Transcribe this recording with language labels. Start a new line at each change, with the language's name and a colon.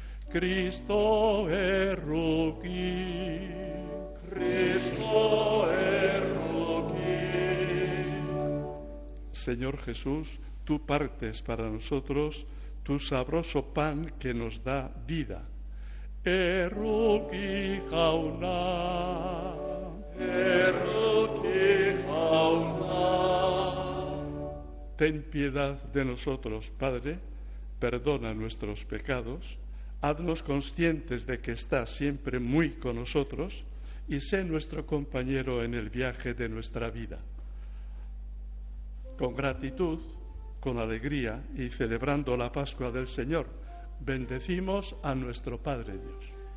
Basque: Cristo erruki, Cristo erruki.
Spanish: Señor Jesús, tú partes para nosotros tu sabroso pan que nos da vida.
Basque: Erruki jauna, erruki jauna.
Spanish: Ten piedad de nosotros, Padre, perdona nuestros pecados, haznos conscientes de que estás siempre muy con nosotros y sé nuestro compañero en el viaje de nuestra vida. Con gratitud, con alegría y celebrando la Pascua del Señor, bendecimos a nuestro Padre Dios.